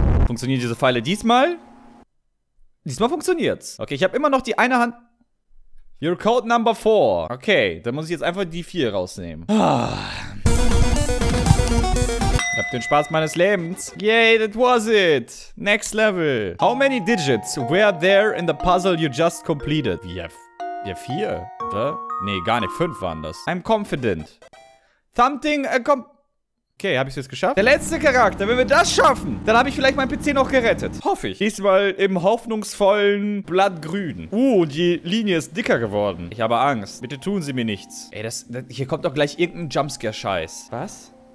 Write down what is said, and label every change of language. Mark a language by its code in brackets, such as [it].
[de] Funktionieren diese Pfeile diesmal? Diesmal funktioniert's. Okay, ich habe immer noch die eine Hand. [en] Your code number 4. [de] Okay, dann muss ich jetzt einfach die 4 rausnehmen. Ich hab den Spaß meines Lebens. [en] Yay, that was it. Next level. How many digits were there in the puzzle you just completed? [de] Ja, vier, oder? Nee, gar nicht. Fünf waren das. [en] I'm confident. [de] Something, okay, hab ich es jetzt geschafft? Der letzte Charakter, wenn wir das schaffen, dann habe ich vielleicht meinen PC noch gerettet. Hoffe ich. Diesmal im hoffnungsvollen Blattgrün. Die Linie ist dicker geworden. Ich habe Angst. Bitte tun Sie mir nichts. Ey, hier kommt doch gleich irgendein Jumpscare-Scheiß. Was?